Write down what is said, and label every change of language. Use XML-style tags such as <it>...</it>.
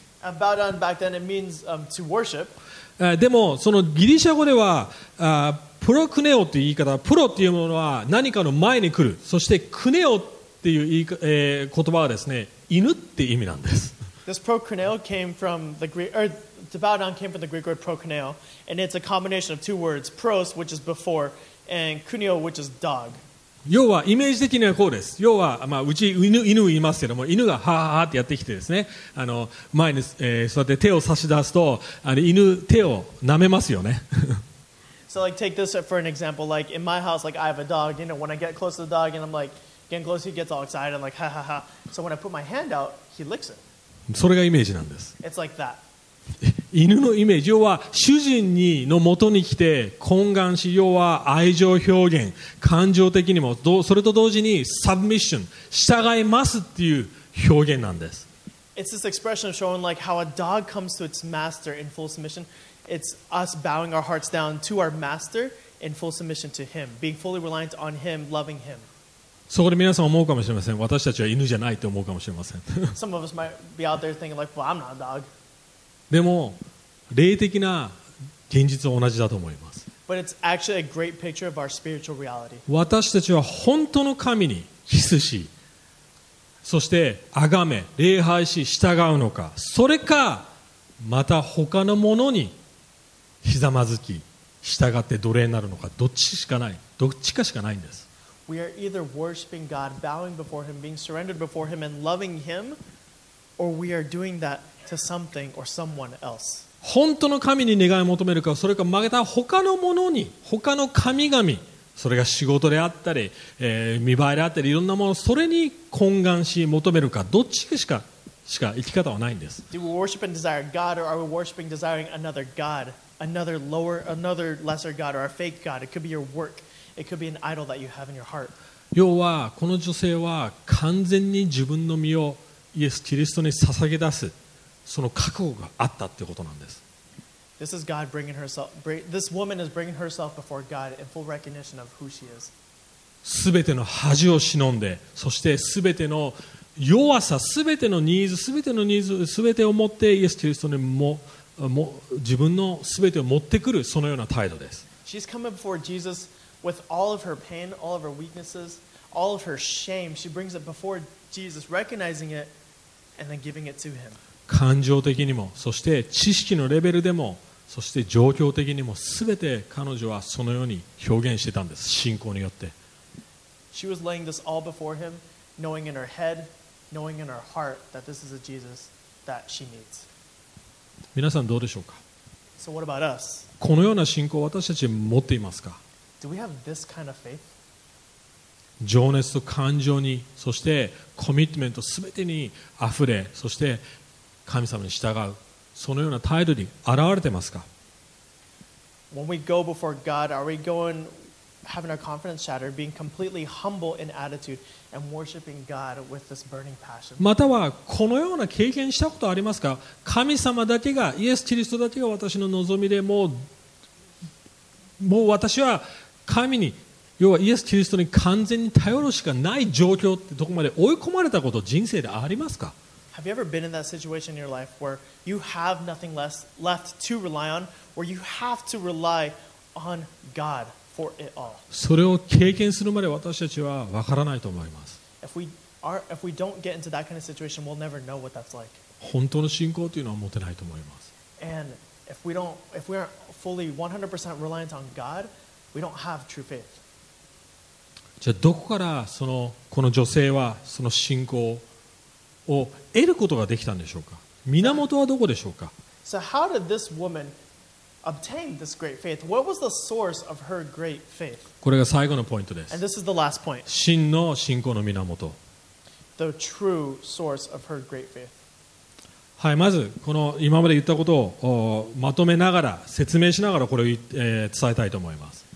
<en>Bow down back then it means to worship.</en> <ja>でもそのギリシャ語ではプロクネオっていう言い方、プロっていうものは何かの前に来る、そしてクネオっていう言葉はですね、犬っていう意味なんです。</ja> <en>This prokuneo came from the Greek, or to bow down came from the Greek word prokuneo, and it's a combination of two words, pros, which is before, and kuneo, which is dog.</en> <ja>要はイメージ的にはこうです。要は、まあ、うち犬いますけども、犬がハーハーハーってやってきてですね、前に、座って手を差し出すと、犬手を舐めますよね。</ja> <en>So like take this for an example, like in my house, like I have a dog, you know, when I get close to the dog and I'm like getting close, he gets all excited and like ha ha ha. So when I put my hand out, he licks it.</en> <ja>それがイメージなんです。</ja> <en>It's like that.</en> <ja>犬のイメージ、要は主人の元に来て懇願し、要は愛情表現、感情的にもそれと同時にサブミッション、従いますっていう表現なんです。</ja> <en>It's this expression of showing like how a dog comes to its master in full submission. It's us bowing our hearts down to our master in full submission to him, being fully reliant on him, loving him.</en> <ja>そこで皆さん思うかもしれません。私たちは犬じゃないと思うかもしれません。</ja> <en>Some of us might be out there thinking like, well, I'm not a dog.</en> <ja>でも霊的な現実は同じだと思います。</ja> <en>But it's actually a great picture of our spiritual reality.</en> <ja>私たちは本当の神にキスし、そして崇め、礼拝し、従うのか、それかまた他のものにひざまずき従って奴隷になるのか、どっちしかない、どっちかしかないんです。</ja> <en>We are either worshiping God, bowing before Him, being surrendered before Him, and loving Him, or we are doing that to something or someone else.</en> <ja>本当の神に願いを求めるか、それか曲げた他のものに、他の神々、それが仕事であったり、見栄えであったり、いろんなもの、それに懇願し求めるか、どっちしか生き方はないんです。</ja> <en>Do we worship and desire God, or are we worshiping desiring another God, another lower, another lesser God, or a fake God? It could be your work. It could be an idol that you have in your heart.</en> <ja>要はこの女性は完全に自分の身をイエス・キリストに捧げ出すその覚悟があったってことなんです。</ja> <en>This is God bringing herself. This woman is bringing herself before God in full recognition of who she is.</en> <ja>すべての恥を忍んで、そしてすべての弱さ、すべてのニーズ、すべてのニーズ、すべてを持ってイエス・キリストにも自分のすべてを持ってくる、そのような態度です。</ja> <en>She's coming before Jesus. With all of her pain, all of her weaknesses, all of her shame, she brings it before Jesus, recognizing it, and then giving it to him.</en> <ja>感情的にも、そして知識のレベルでも、そして状況的にも、すべて彼女はそのように表現してたんです、信仰によって。</ja> <en>She was laying this all before him, knowing in her head, knowing in her heart that this is a Jesus that she needs.</en> <ja>皆さんどうでしょうか?</ja> <en>So what about us?</en> <ja>このような信仰を私たち持っていますか?</ja> <en>Do we have this kind of faith?</en> <ja>情熱と感情に、そしてコミットメント全てにあふれ、そして神様に従う、そのような態度に現れてますか?</ja> <en>When we go before God, are we going having our confidence shattered, being completely humble in attitude and worshiping God with this burning passion?</en> <ja>またはこのような経験したことありますか?神様だけが、イエス・キリストだけが私の望みで、もう私は神に、要はイエス・キリストに完全に頼るしかない状況ってどこまで追い込まれたこと、人生でありますか?</ja> <en>Have you ever been in that situation in your life where you have nothing left to rely on, where you have to rely on God for it all?</en> <ja>それを経験するまで私たちは分からないと思います。</ja> <en>If we don't get into that kind of situation, we'll never know what that's like.</en> <ja>本当の信仰というのは持てないと思います。</ja> <en>And if we aren't fully 100% reliant on God,We don't have true faith.</en> <ja>じゃあどこからそのこの女性はその信仰を得ることができたんでしょうか。源はどこでしょうか。</ja> <en>So how did this woman obtain this great faith? What was the source of her great faith?</en> <ja>これが最後のポイントです。</ja> <en>And this is the last point.</en> <ja>真の信仰の源。</ja> <en>The true source of her great faith.</en> <ja>はい、まずこの今まで言ったことをまとめながら説明しながらこれを、伝えたいと思います。</ja>